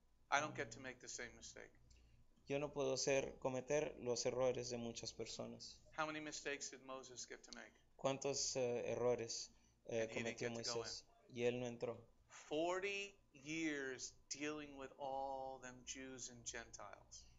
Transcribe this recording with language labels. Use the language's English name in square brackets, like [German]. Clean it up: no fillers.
[English] I don't get to make the same mistake. [Spanish] Yo no puedo cometer los errores de muchas personas. [English] How many mistakes did Moses get to make? [Spanish] ¿Cuántos errores cometió Moisés? Y él no entró. [English] 40 years dealing with all them Jews and Gentiles.